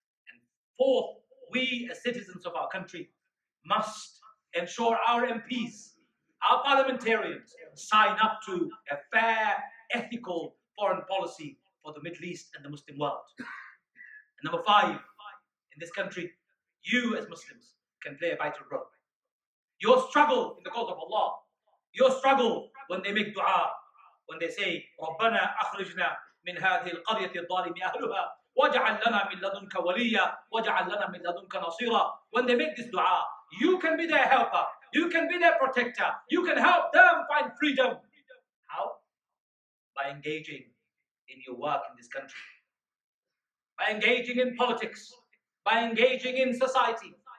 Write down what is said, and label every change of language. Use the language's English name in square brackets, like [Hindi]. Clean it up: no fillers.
[English] And fourth, we as citizens of our country must ensure our MPs, our parliamentarians, sign up to a fair, ethical foreign policy for the Middle East and the Muslim world. And number five, in this country, you as Muslims can play a vital role. Your struggle in the cause of Allah, your struggle when they make dua, when they say, [Arabic] رَبَّنَا أَخْرِجْنَا مِنْ هَذِهِ الْقَرْيَةِ الظَّالِمِ أَهْلُهَا وَجَعَلْ لَنَا مِنْ لَدُنْكَ وَلِيَّا وَجَعَلْ لَنَا مِنْ لَدُنْكَ نَصِيرًا. [English] When they make this dua, you can be their helper. You can be their protector. You can help them find freedom. How? By engaging in your work in this country. By engaging in politics. By engaging in society.